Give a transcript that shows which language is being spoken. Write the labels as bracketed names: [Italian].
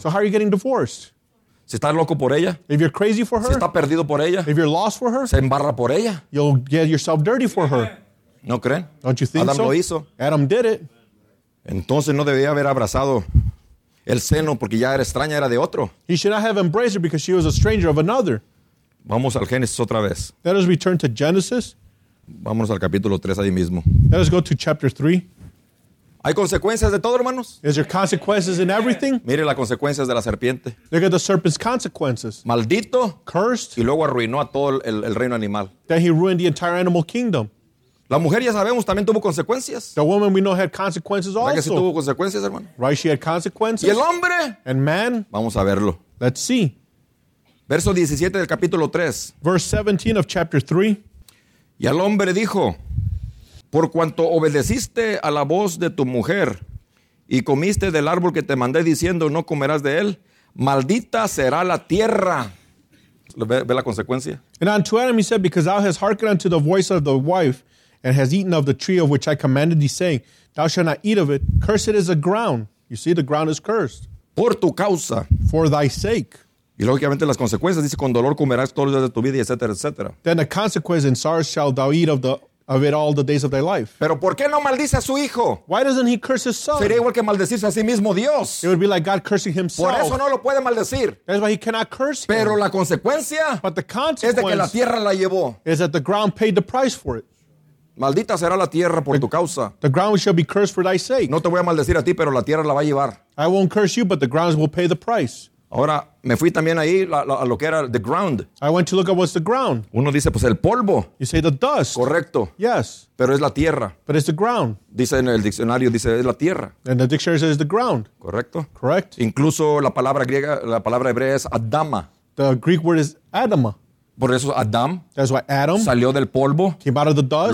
[English] So how are you getting divorced? [Spanish] Si estás loco por ella. [English] If you're crazy for her. [Spanish] Si está perdido por ella. [English] If you're lost for her. [Spanish] Se embarra por ella. [English] You'll get yourself dirty for her. [Spanish] ¿No creen? [English] Don't you think Adam so? [Spanish] Adam lo hizo. [English] Adam did it. [Spanish] Entonces no debía haber abrazado el seno porque ya era extraña, era de otro. [English] He should not have embraced her because she was a stranger of another. [Spanish] Vamos al Génesis otra vez. [English] Let us return to Genesis. [Spanish] Vámonos al capítulo 3 ahí mismo. [English] Let us go to chapter 3. [Spanish] ¿Hay consecuencias de todo, hermanos? [English] Is there consequences in everything? [Spanish] Mire las consecuencias de la serpiente. [English] Look at the serpent's consequences. [Spanish] Maldito. [English] Cursed. [Spanish] Y luego arruinó a todo el reino animal. [English] Then he ruined the entire animal kingdom. [Spanish] La mujer, ya sabemos, también tuvo consecuencias. [English] The woman we know had consequences also. [Spanish] ¿Que sí tuvo consecuencias, hermano? [English] Right, she had consequences. [Spanish] ¿Y el hombre? [English] And man. [Spanish] Vamos a verlo. [English] Let's see. [Spanish] Verso 17 del capítulo 3. [English] Verse 17 of chapter 3. [Spanish] Y al hombre dijo, por cuanto obedeciste a la voz de tu mujer y comiste del árbol que te mandé diciendo no comerás de él, maldita será la tierra. ¿Ve la consecuencia? [English] And unto Adam he said, because thou hast hearkened unto the voice of the wife and hast eaten of the tree of which I commanded thee, saying, thou shalt not eat of it, cursed is the ground. You see, the ground is cursed. [Spanish] Por tu causa. [English] For thy sake. [Spanish] Y lógicamente las consecuencias, dice, con dolor comerás todos los días de tu vida, etcétera, etcétera. [English] Then the consequence in sorrow shall thou eat of the of it all the days of their life. [Spanish] Pero ¿por qué no maldice a su hijo? [English] Why doesn't he curse his son? [Spanish] Sería igual que maldecirse a sí mismo Dios. [English] It would be like God cursing himself. [Spanish] Por eso no lo puede maldecir. [English] That's why he cannot curse [Spanish] Pero [English] him. [Spanish] La consecuencia [English] But the consequence [Spanish] es de que la tierra la llevó. [English] Is that the ground paid the price for it. [Spanish] Maldita será la tierra por tu causa. [English] The ground shall be cursed for thy sake. [Spanish] No te voy a maldecir a ti, pero la tierra la va a llevar. [English] I won't curse you, but the ground will pay the price. [Spanish] Ahora, me fui también ahí a lo que era [English] the ground. I went to look at what's the ground. [Spanish] Uno dice, pues el polvo. [English] You say the dust. [Spanish] Correcto. [English] Yes. [Spanish] Pero es la tierra. [English] But it's the ground. [Spanish] Dice en el diccionario, dice, es la tierra. [English] And the dictionary says it's the ground. [Spanish] Correcto. [English] Correct. [Spanish] Incluso la palabra griega, la palabra hebrea es adama. [English] The Greek word is adama. [Spanish] Por eso Adam, [English] that's why Adam [Spanish] salió del polvo, [English] came out of the dust,